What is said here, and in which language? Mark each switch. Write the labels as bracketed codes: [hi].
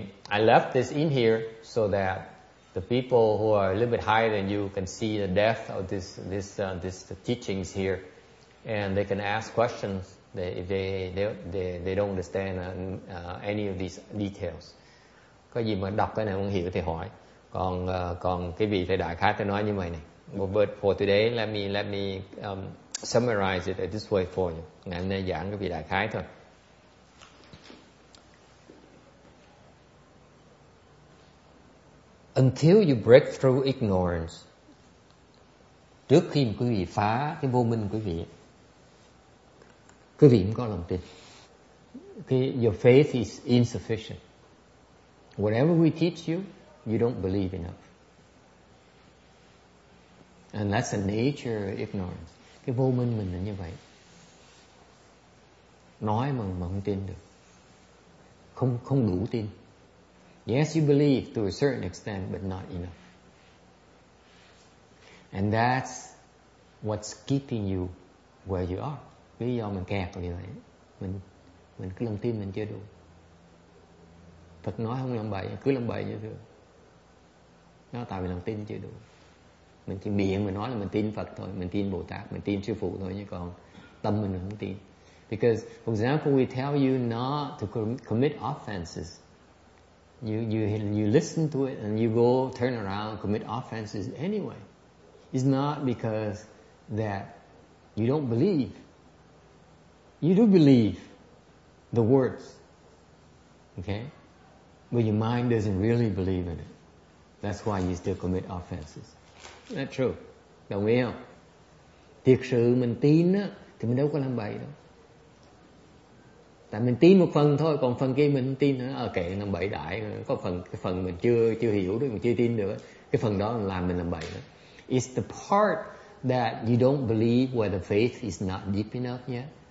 [en] I left this in here so that the people who are a little bit higher than you can see the depth of this the teachings here. And they can ask questions if they don't understand any of these details. [vi] Có gì mà đọc cái này không hiểu thì hỏi. Còn cái vị thầy đại khái thì nói như vậy này. [en] But for today, let me summarize it this way for you. [vi] Ngày hôm nay giảng cái vị đại khái thôi. [en] Until you break through ignorance, [vi] trước khi quý vị phá cái vô minh quý vị, quý vị cũng có lòng tin. [en] Your faith is insufficient. Whatever we teach you, you don't believe enough. And that's the nature of ignorance. [vi] Cái vô minh mình là như vậy. Nói mà không tin được. Không đủ tin. [en] Yes, you believe to a certain extent, but not enough. And that's what's keeping you where you are. [vi] Lý do mình kẹt như vậy, mình cứ lòng tin mình chưa đủ. Phật nói không làm bậy, cứ làm bậy như thường. Nó tại vì lòng tin chưa đủ. Mình chỉ miệng mình nói là mình tin Phật thôi, mình tin Bồ Tát, mình tin Sư Phụ thôi, nhưng còn tâm mình không tin. [en] Because, for example, we tell you not to commit offenses. You listen to it and you go turn around and commit offenses anyway. It's not because that you don't believe. You do believe the words, okay? But your mind doesn't really believe in it. That's why you still commit offenses. That's true. [vi] Đồng ý không? Thiệt sự mình tin á, thì mình đâu có làm bậy đâu. Tại mình tin một phần thôi, còn phần kia mình tin nữa. Kệ, làm bậy đại. Có cái phần mình chưa hiểu được, mình chưa tin được. Cái phần đó làm mình làm bậy đó. [en] It's the part that you don't believe where the faith is not deep enough yet.